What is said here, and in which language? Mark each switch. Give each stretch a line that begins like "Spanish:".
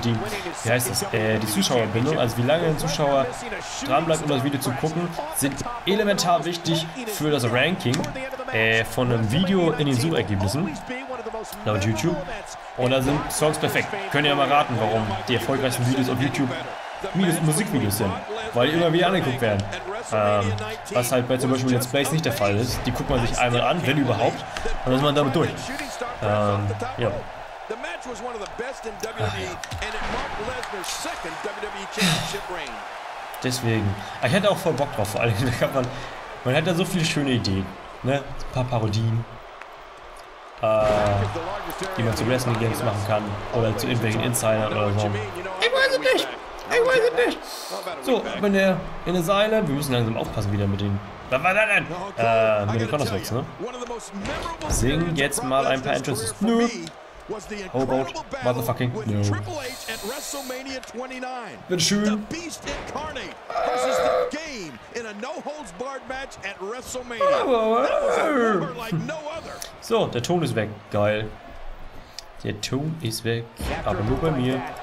German: die, wie heißt das, die Zuschauerbindung, also wie lange ein Zuschauer dranbleibt, um das Video zu gucken, sind elementar wichtig für das Ranking von einem Video in den Suchergebnissen laut YouTube. Und da sind Songs perfekt. Könnt ihr ja mal raten, warum die erfolgreichsten Videos auf YouTube Videos, Musikvideos sind, weil die immer wieder angeguckt werden. Was halt bei zum Beispiel Let's Plays nicht der Fall ist. Die guckt man sich einmal an, wenn überhaupt, und dann ist man damit durch. Ja.
English: The match was one of the best in WWE,
German: ach, ja.
English: And it marked Lesnar's second WWE Championship reign.
German: Deswegen, ich hätte auch voll Bock drauf, vor allem, da kann man hat da so viele schöne Ideen, ne, ein paar Parodien, die man zu Wrestling Games machen kann, oder zu irgendwelchen Insidern oder so. Ich weiß es nicht! So, wenn der in der Seile, wir müssen langsam aufpassen wieder mit den... Was war das denn? Mit den Connors-Wex, ne? Sing jetzt mal ein paar Entrances. Nö!
English: Was the incredible battle motherfucking with no. Triple H at WrestleMania 29. The Beast Incarnate versus the Game in a no-holds-barred match at WrestleMania. That was a bummer like no other.
German: So, der Ton ist weg. Geil. Der Ton ist weg. Aber nur bei mir.